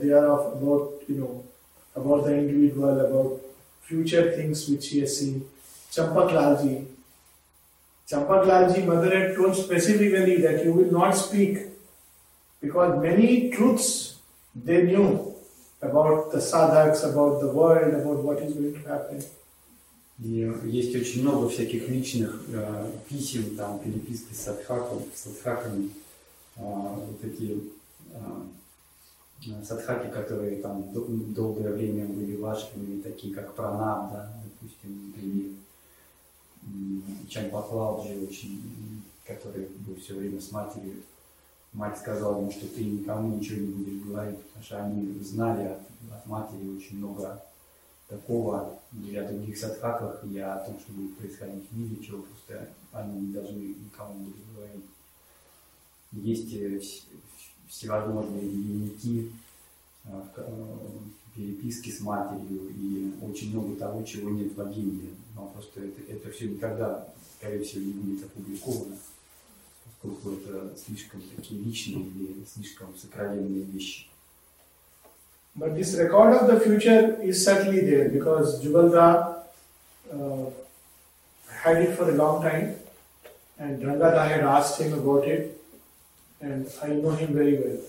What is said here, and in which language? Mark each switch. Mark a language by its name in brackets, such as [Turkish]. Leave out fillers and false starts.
[English] They are of about, about the individual, about future things which he has seen. Champaklalji, mother had told specifically that you will not speak, because many truths they knew about the sadhaks, about the world, about what is going to happen. [Russian] Есть очень много всяких личных писем, там переписки с садхаками, вот такие. Садхаки, которые там долгое время были важными, такие как Пранаб, да, допустим, например. чем Бхагавад Джи, который был все время с матерью. Мать сказала ему, что ты никому ничего не будешь говорить, потому что они знали от матери очень много такого. И о других садхаках, и о том, что будет происходить в мире, чего просто они не должны никому будут говорить. Есть всевозможные дневники в переписке с матерью, и очень много того, чего нет в Агинде. Но просто это все никогда, скорее всего, не будет опубликовано, поскольку это слишком такие личные или слишком сокровенные вещи. [English] But this record of the future is certainly there, because Jugalda had it for a long time, and Drangada had asked him about it, and I know him very well.